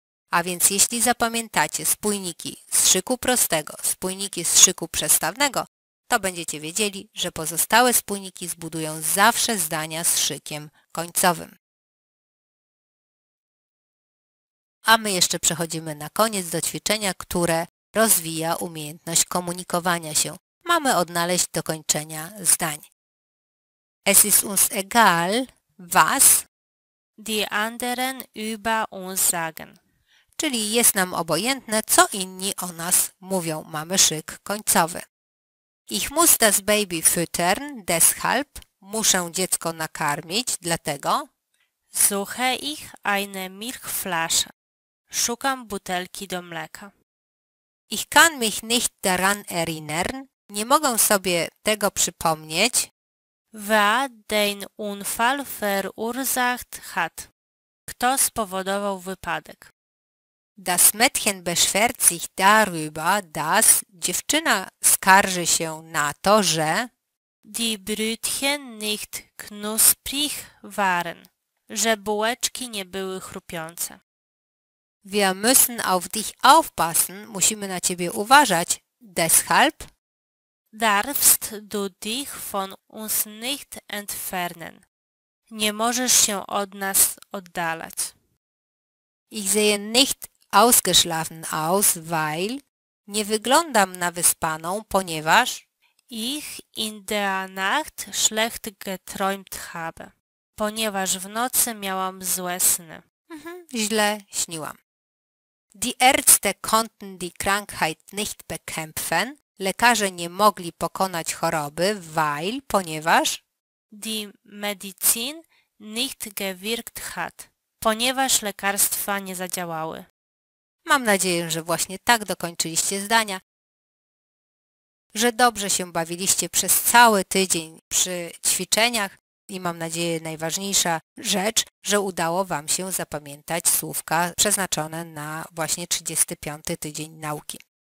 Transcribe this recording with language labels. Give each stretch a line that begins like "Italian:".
Polish: A więc jeśli zapamiętacie spójniki z szyku prostego, spójniki z szyku przestawnego, to będziecie wiedzieli, że pozostałe spójniki zbudują zawsze zdania z szykiem końcowym. A my jeszcze przechodzimy na koniec do ćwiczenia, które rozwija umiejętność komunikowania się. Mamy odnaleźć dokończenia zdań.
German: Es ist uns egal, was die anderen über uns sagen.
Polish: Czyli jest nam obojętne, co inni o nas mówią. Mamy szyk końcowy.
German: Ich muss das Baby füttern, deshalb.
Polish: Muszę dziecko nakarmić, dlatego.
German: Suche ich eine Milchflasche.
Polish: Szukam butelki do mleka.
German: Ich kann mich nicht daran erinnern.
Polish: Nie mogę sobie tego przypomnieć.
German: Wer den Unfall verursacht hat.
Polish: Kto spowodował wypadek.
German: Das Mädchen beschwert sich darüber, dass
Polish: dziewczyna skarży się na to, że
German: die Brötchen nicht knusprig waren,
Polish: że bułeczki nie były chrupiące.
German: Wir müssen auf dich aufpassen,
Polish: musimy na ciebie uważać,
German: deshalb darfst du dich von uns nicht entfernen.
Polish: Nie możesz się od nas oddalać.
German: Ich sehe nicht ausgeschlafen aus, weil
Polish: nie wyglądam na wyspaną, ponieważ
German: ich in der Nacht schlecht geträumt habe.
Polish: Ponieważ w nocy miałam złe sny. Źle śniłam.
German: Die Ärzte konnten die Krankheit nicht bekämpfen.
Polish: Lekarze nie mogli pokonać choroby, weil, ponieważ
German: die Medizin nicht gewirkt hat.
Polish: Ponieważ lekarstwa nie zadziałały. Mam nadzieję, że właśnie tak dokończyliście zdania, że dobrze się bawiliście przez cały tydzień przy ćwiczeniach i mam nadzieję, najważniejsza rzecz, że udało Wam się zapamiętać słówka przeznaczone na właśnie 35. tydzień nauki.